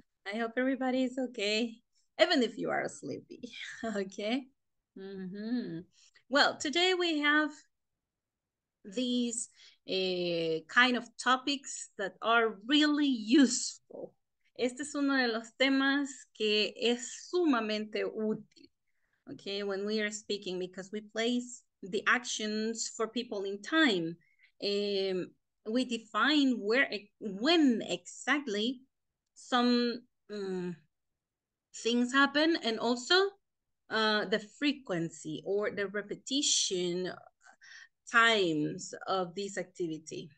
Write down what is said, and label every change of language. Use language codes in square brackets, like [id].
[en] I hope everybody is okay, even if you are sleepy. Okay. Mm-hmm. Well, today we have these kind of topics that are really useful. [es] Este es uno de los temas que es sumamente útil. [en] Okay, when we are speaking, because we place the actions for people in time. We define where, when exactly some things happen, and also the frequency or the repetition times of this activity.